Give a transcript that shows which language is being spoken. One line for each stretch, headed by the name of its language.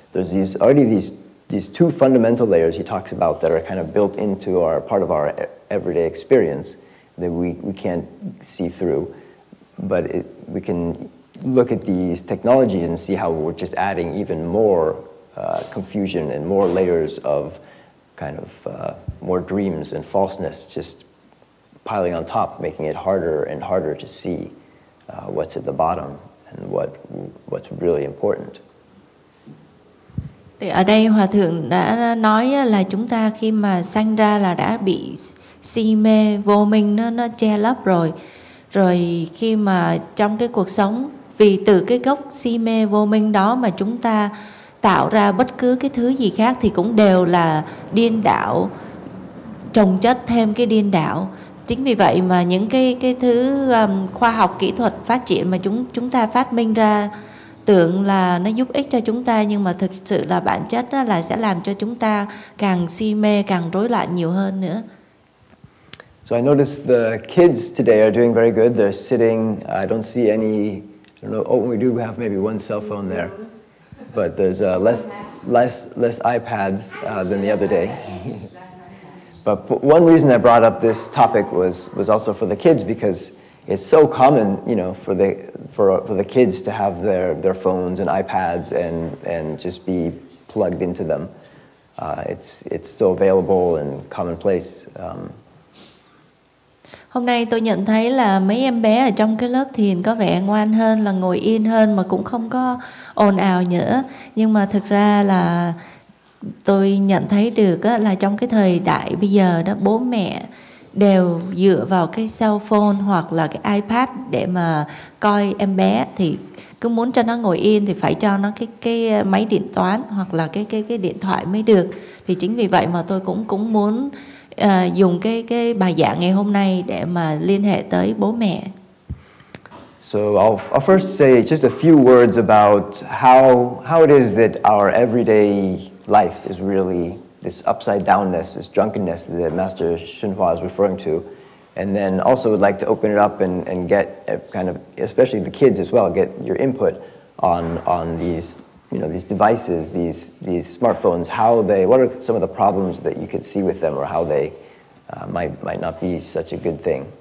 English: There's these two fundamental layers he talks about that are kind of built into our part of our everyday experience that we can't see through, but we can look at these technologies and see how we're just adding even more confusion and more layers of kind of more dreams and falseness, just piling on top, making it harder and harder to see what's at the bottom and what's really important.
Vietnamese: Thì ở đây Hòa Thượng đã nói là chúng ta khi mà sanh ra là đã bị si mê vô minh nó che lấp rồi. Rồi khi mà trong cái cuộc sống, vì từ cái gốc si mê vô minh đó mà chúng ta tạo ra bất cứ cái thứ gì khác thì cũng đều là điên đảo, trồng chất thêm cái điên đảo. Chính vì vậy mà những cái thứ khoa học kỹ thuật phát triển mà chúng ta phát minh ra tưởng là nó giúp ích cho chúng ta, nhưng mà thực sự là bản chất đó là sẽ làm cho chúng ta càng si mê, càng rối loạn nhiều hơn nữa.
English: So I noticed the kids today are doing very good. They're sitting. I don't see any. I don't know. Oh, we do have maybe one cell phone there, but there's less iPads than the other day. But one reason I brought up this topic was also for the kids, because it's so common, you know, for the kids to have their phones and iPads and just be plugged into them. It's so available and commonplace.
Vietnamese: Hôm nay tôi nhận thấy là mấy em bé ở trong cái lớp thiền có vẻ ngoan hơn, là ngồi yên hơn mà cũng không có ồn ào nữa. Nhưng mà thực ra là tôi nhận thấy được là trong cái thời đại bây giờ đó, bố mẹ đều dựa vào cái cell phone hoặc là cái iPad để mà coi em bé, thì cứ muốn cho nó ngồi yên thì phải cho nó cái máy điện toán hoặc là cái điện thoại mới được. Thì chính vì vậy mà tôi cũng muốn dùng cái bài giảng ngày hôm nay để mà liên hệ tới bố mẹ.
English: So I'll first say just a few words about how it is that our everyday life is really this upside downness, this drunkenness that Master Hsuan Hua is referring to, and then also would like to open it up and get a kind of, especially the kids as well, get your input on these, you know, these devices, these smartphones, what are some of the problems that you could see with them, or how they might not be such a good thing.